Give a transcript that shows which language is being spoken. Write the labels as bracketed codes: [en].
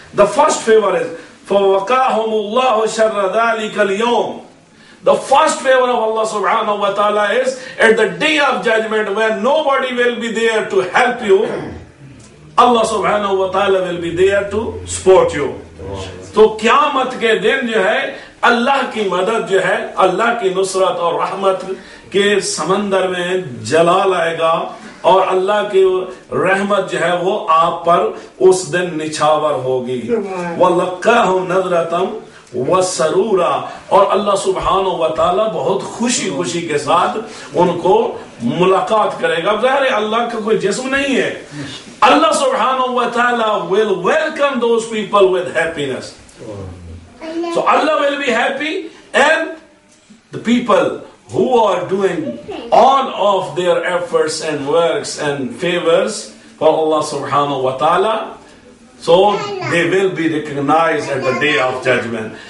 [en] The first favor is [ar] فَوَقَاهُمُ اللَّهُ شَرَّ ذَلِكَ الْيَوْمِ. [en] The first favor of Allah subhanahu wa ta'ala is at the day of judgment when nobody will be there to help you, Allah subhanahu wa ta'ala will be there to support you. [ur] تو قیامت کے دن جو ہے اللہ کی مدد جو ہے اللہ کی نصرت اور رحمت کے سمندر میں جلال آئے گا اور اللہ کی رحمت جو ہے وہ آپ پر اس دن نچھاور ہوگی. [ar] وَلَقَّاهُمْ نَظْرَةً وَسَرُورًا, [ur] اور اللہ سبحانہ و تعالی بہت خوشی خوشی کے ساتھ ان کو ملاقات کرے گا. ظاہر ہے اللہ کا کوئی جسم نہیں ہے, اللہ سبحانہ و تعالی [en] will welcome those people with happiness. So Allah will be happy and the people who are doing all of their efforts and works and favors for Allah subhanahu wa ta'ala, so they will be recognized at the day of judgment.